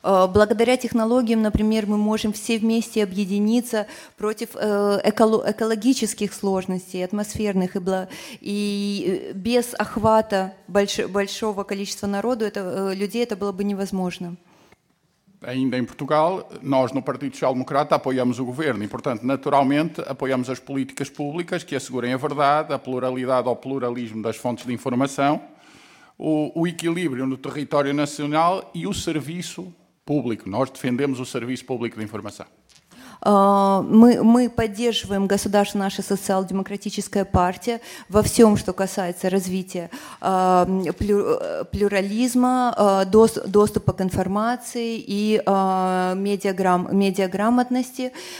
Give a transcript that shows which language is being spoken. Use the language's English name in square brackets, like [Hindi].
[Russian] Благодаря технологиям, например, мы можем все вместе объединиться против экологических сложностей, атмосферных, и без охвата большого количества народу, людей, это было бы невозможно. [Portuguese] Ainda em Portugal, nós no Partido Social Democrata apoiamos o governo e, portanto, naturalmente, apoiamos as políticas públicas que assegurem a verdade, a pluralidade ou pluralismo das fontes de informação, o equilíbrio no território nacional e o serviço público. Nós defendemos o serviço público de informação. [Russian] Мы поддерживаем государство, наша социал-демократическая партия во всем, что касается развития плюрализма, доступа к информации и медиаграмотности.